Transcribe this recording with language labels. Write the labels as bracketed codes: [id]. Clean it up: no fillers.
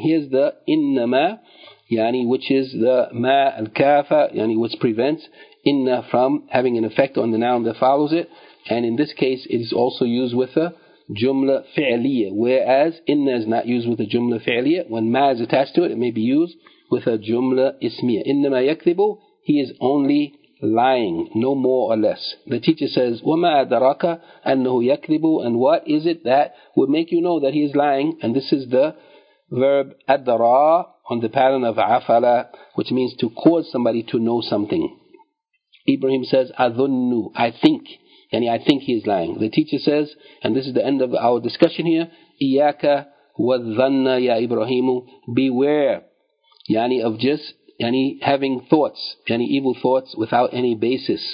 [en] Here's the innama, yani, which is the ma al-kafa, yani, which prevents inna from having an effect on the noun that follows it. And in this case, it is also used with a jumla fi'liya, whereas inna is not used with a jumla fi'liya. When ma is attached to it, it may be used with a jumla ismiya. [ar] Inna ma yakthibu, [en] he is only lying, no more or less. The teacher says, [ar] وَمَا أَدَرَكَ أَنَّهُ يَكْذِبُ. [en] And what is it that would make you know that he is lying? And this is the verb adara, on the pattern of afala, which means to cause somebody to know something. Ibrahim says, adhunnu, I think. Yani, I think he is lying. The teacher says, and this is the end of our discussion here, [ar] iyaka wadhanna ya Ibrahimu, [en] beware, yani, of just, yani, having thoughts, yani, evil thoughts without any basis.